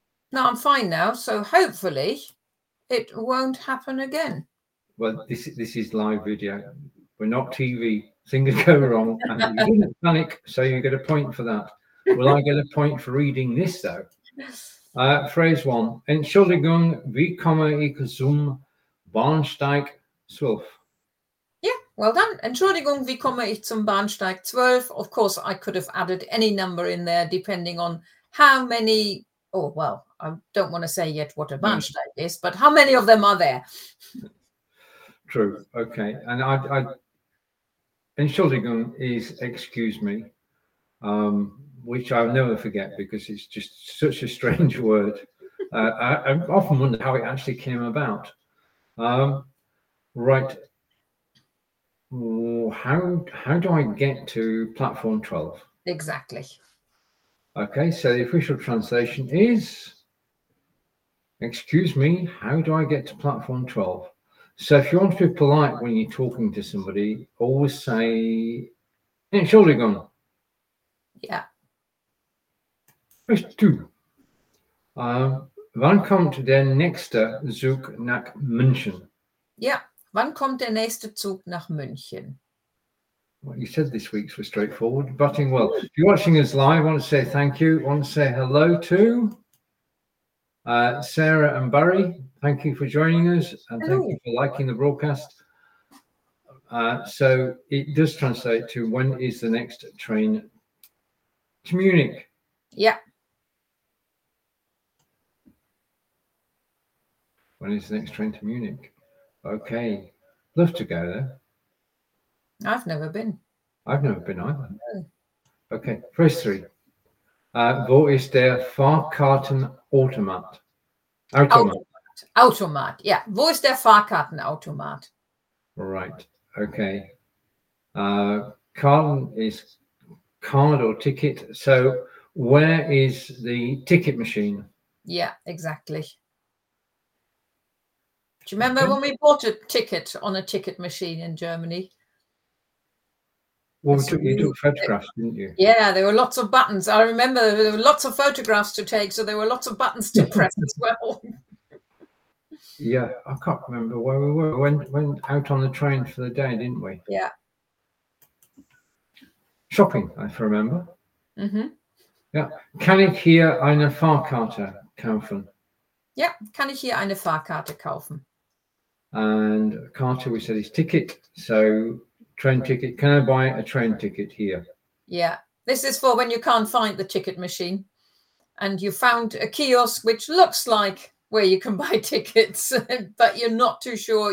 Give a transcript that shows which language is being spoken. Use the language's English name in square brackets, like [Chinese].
[English] No, I'm fine now, so hopefully it won't happen again. Well, this is live video. We're not TV. Things go wrong, and you didn't panic, so you get a point for that. Will I get a point for reading this though? Phrase one: [German] Entschuldigung, wie komme ich zum Bahnsteig 12? [English] Well done. [German] Entschuldigung, wie komme ich zum Bahnsteig 12? [English] Of course, I could have added any number in there depending on how many. Oh, well, I don't want to say yet what a No. Bahnsteig is, but how many of them are there? True. Okay, and I. Entschuldigung is excuse me, which I'll never forget because it's just such a strange word. I often wonder how it actually came about. Right. How do I get to platform 12? Exactly. Okay, so the official translation is, excuse me, how do I get to platform 12? So if you want to be polite when you're talking to somebody, always say, Entschuldigung. Yeah. Phrase two. [German] Wann kommt der nächste Zug nach München? [English] Yeah. [German] Wann kommt der nächste Zug nach München? [English] What you said this week's was straightforward, butting well. If you're watching us live, I want to say thank you. I want to say hello to Sarah and Barry. Thank you for joining us and thank you Hello. for liking the broadcast. So it does translate to when is the next train to Munich? Yeah. When is the next train to Munich? Okay, love to go there. I've never been. I've never been either. Okay, phrase three. [German] Wo ist der Fahrkartenautomat? Automat. [English] Automat, yeah. [German] Wo ist der Fahrkartenautomat? [English] Right, okay. Karten is card or ticket. So where is the ticket machine? Yeah, exactly. Do you remember when we bought a ticket on a ticket machine in Germany? Well, you took photographs, didn't you? Yeah, there were lots of buttons. I remember there were lots of photographs to take, so there were lots of buttons to press as well. Yeah, I can't remember where we were. We went out on the train for the day, didn't we? Yeah. Shopping, if I remember. Mm-hmm. Yeah. [German] Kann ich hier eine Fahrkarte kaufen? [English] Yeah, [German] kann ich hier eine Fahrkarte kaufen? [English] And Carter, we said, is ticket. So train ticket. Can I buy a train ticket here? Yeah. This is for when you can't find the ticket machine and you found a kiosk which looks like where you can buy tickets, but you're not too sure.